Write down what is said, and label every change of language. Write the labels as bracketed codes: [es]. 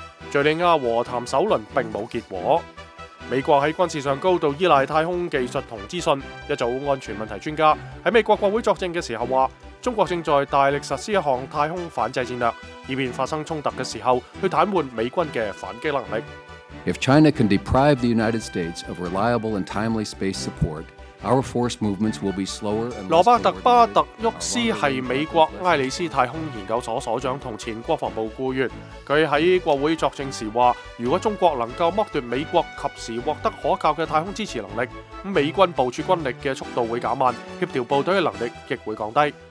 [zh] 叙利亚和谈首轮并无结果。美国在军事上高度依赖太空技术和资讯。一组安全问题专家在美国国会作证的时候说，中国正在大力实施一项太空反制战略，以便发生冲突的时候去瘫痪美军的反击能力。 [en] If China can deprive the United States of reliable and timely space support,Our force movements will be slower. [zh] 罗伯特·巴特沃斯是美国埃里斯太空研究所所长和前国防部雇员，他在国会作证时说，如果中国能够剥夺美国及时获得可靠的太空支持能力，美军部署军力的速度会减慢，协调部队的能力亦会降低。